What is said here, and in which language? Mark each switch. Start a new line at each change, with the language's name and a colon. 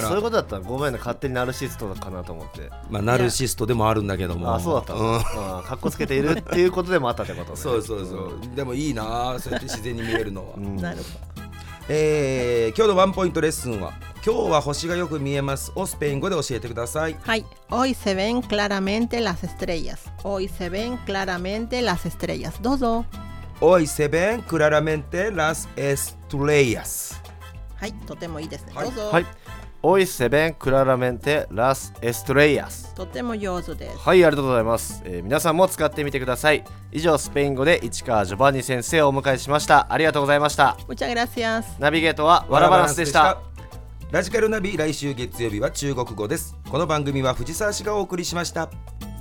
Japanese: 、そういうことだったら、ごめんね、勝手にナルシストかなと思って。まあ、ナルシストでもあるんだけども。あ、そうだった。うん、かっこつけているっていうことでもあったってことね。そうそうそう。でもいいな、そうやって自然に見えるのは。うん、なるほど。今日のワンポイントレッスンは、今日は星がよく見えますをスペイン語で教えてください。はい。
Spanish: Hoy se ven claramente las estrellas. Hoy se ven claramente las estrellas.
Japanese: どうぞ。
Spanish: Hoy se ven claramente las estrellas.
Japanese: はい、とてもいいですね。はい、どうぞ。はい。
Spanish: Hoy se ven claramente las estrellas.
Japanese: とても上手です。はい、ありがとうございます。皆さんも使ってみてください。以上、スペイン語で市川ジョバンニ先生をお迎えしました。ありがとうございました。
Spanish: Muchas gracias.
Japanese: ナビゲートはワラバランスでした。ラジカルナビ、来週月曜日は中国語です。この番組は藤沢市がお送りしました。